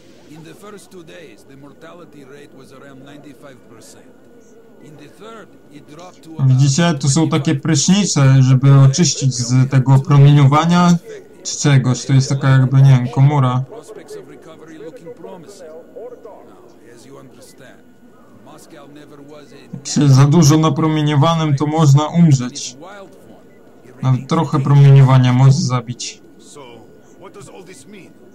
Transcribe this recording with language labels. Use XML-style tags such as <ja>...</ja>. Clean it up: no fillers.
<en>In the first 2 days, the mortality rate was around 95%. In the third, it dropped to.</en> <pl>Widzicie, tu są takie prysznice, żeby oczyścić z tego promieniowania czy czegoś. To jest taka jakby, nie wiem, komóra.</pl> <en>Prospects of recovery looking promising. Now, as you understand, Moscow never was a.</en> <pl>Czy za dużo napromieniowanym, to można umrzeć. Nawet trochę promieniowania może zabić.</pl> <en>So, what does all this mean?</en>